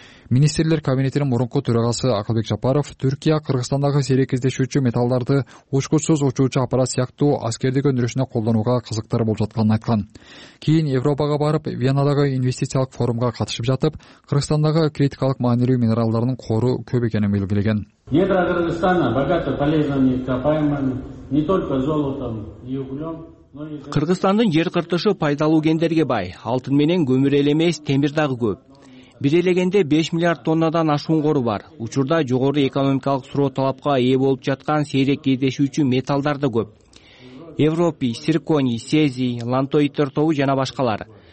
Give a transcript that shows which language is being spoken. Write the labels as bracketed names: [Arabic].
[Kyrgyz] Министрлер кабинетинин мурунку төрагасы Акылбек Жапаров Түркия Кыргызстандагы сейрек кездешүүчү металлдарды учкучсуз учуучу аппарат сыяктуу аскердик өндүрүшүнө колдонууга кызыктары болуп жатканын айткан. Кийин Европага барып, Венадагы инвестициялык форумга катышып жатып, Кыргызстандагы критикалык маанилүү минералдардын кору көп экенин белгилеген. [Russian] Недра Кыргызстана богато полезными ископаемыми, не только золотом и углем. [Kyrgyz] Кыргызстандын жер кыртышы пайдалуу кендерге бай, алтын менен көмүр эле эмес, темир дагы көп. Бир элегенде 5 миллиард тоннадан ашуун кору бар. Учурда жогору экономикалык суроо талапка ээ болуп жаткан сейрек кездешүүчү металлдар да көп. Европий, цирконий, сезий, лантоиттер тобу жана башкалар.